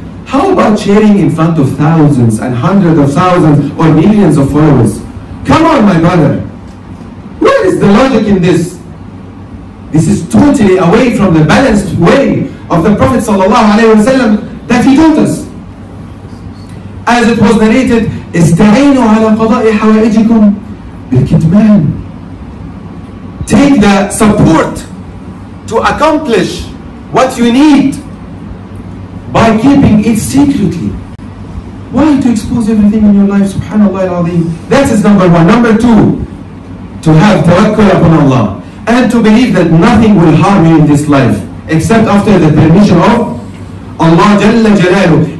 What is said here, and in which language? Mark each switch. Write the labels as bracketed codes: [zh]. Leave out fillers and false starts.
[en] How about sharing in front of thousands and hundreds of thousands or millions of followers? Come on, my brother. Where is the logic in this? This is totally away from the balanced way of the Prophet sallallahu alaihi wasallam that he taught us. As it was narrated, [ar] استعينوا على قضاء حوائجكم بالكتمان. [en] Take the support to accomplish what you need by keeping it secretly. Why to expose everything in your life, subhanAllah al-Azim? That is number one. Number two, to have tawakkul upon Allah and to believe that nothing will harm you in this life except after the permission of Allah Jalla Jalalu.